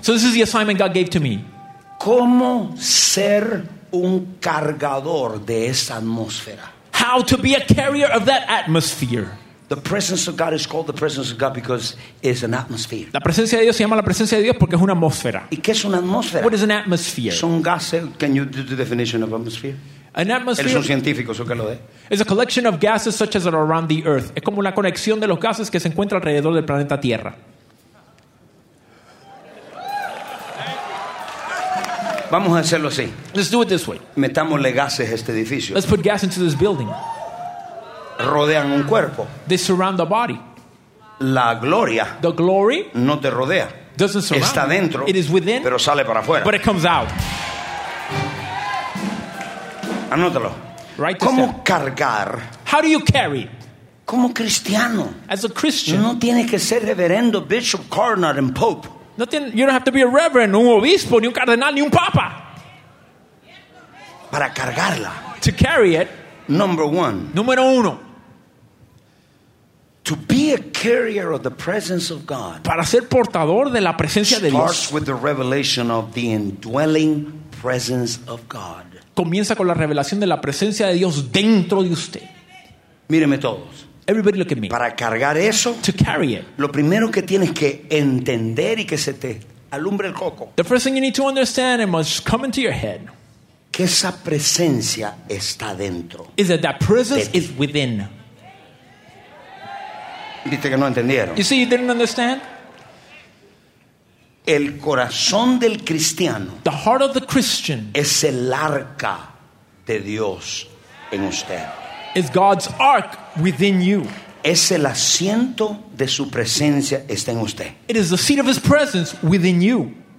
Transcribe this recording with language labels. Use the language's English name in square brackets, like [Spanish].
[English] So this is the assignment God gave to me. [Spanish] ¿Cómo ser un cargador de esa atmósfera? [English] How to be a carrier of that atmosphere? The presence of God is called the presence of God because it's an atmosphere. [Spanish] La presencia de Dios se llama la presencia de Dios porque es una atmósfera. ¿Y qué es una atmósfera? [English] What is an atmosphere? [Spanish] Son gases. [English] Can you do the definition of atmosphere? An atmosphere. [Spanish] Eres un científico, eso que lo dé. [English] It's a collection of gases such as are around the Earth. [Spanish] Es como la conexión de los gases que se encuentra alrededor del planeta Tierra. Vamos a hacerlo así. [English] Let's do it this way. [Spanish] Metámosle gases a este edificio. [English] Let's put gas into this building. [Spanish] Rodean un cuerpo. [English] They surround the body. [Spanish] La gloria. [English] The glory. [Spanish] No te rodea. [English] Doesn't surround. [Spanish] Está dentro. [English] It is within. [Spanish] Pero sale para afuera. [English] But it comes out. [Spanish] Anótalo. [English] Write [Spanish] ¿cómo [English] down. [Spanish] Cargar? [English] How do you carry? [Spanish] Como cristiano. [English] As a Christian. No tienes que ser reverendo, bishop, cardinal, and pope. Nothing, you don't have to be a reverend, [Spanish] un obispo, ni un cardenal, ni un papa. Para cargarla. [English] To carry it. Number one. [Spanish] Número uno. [English] To be a carrier of the presence of God. [Spanish] Para ser portador de la presencia de Dios. [English] Starts with the revelation of the indwelling presence of God. [Spanish] Comienza con la revelación de la presencia de Dios dentro de usted. Míreme todos. [English] Everybody look at me. [Spanish] Para cargar eso, [English] to carry it. [Spanish] Lo primero que tienes que entender y que se te alumbre el coco. [English] The first thing you need to understand and must come into your head. [Spanish] Que esa presencia está dentro. [English] Is that presence is within. [Spanish] Viste que no entendieron. [English] You see, you didn't understand. [Spanish] El corazón del cristiano. [English] The heart of the Christian. [Spanish] Es el arca de Dios en usted. [English] Is God's ark within you. [Spanish] Es el asiento de su presencia está en usted. [English] It is the seat of his presence within you.